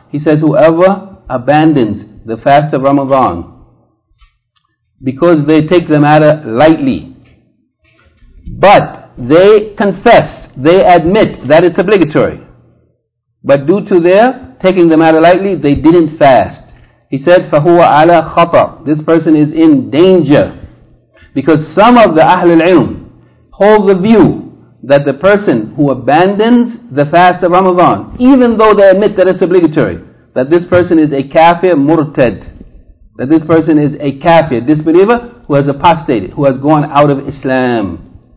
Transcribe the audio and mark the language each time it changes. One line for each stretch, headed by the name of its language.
English: He says, whoever abandons the fast of Ramadan because they take the matter lightly, but they confess, they admit that it's obligatory, but due to their taking the matter lightly, they didn't fast. He said,
Arabic: فَهُوَ عَلَى خَطَرٍ.
English: This person is in danger. Because some of the Ahlul Ilm hold the view that the person who abandons the fast of Ramadan, even though they admit that it's obligatory, that this person is a kafir murtad. That this person is a kafir, disbeliever, who has apostated, who has gone out of Islam.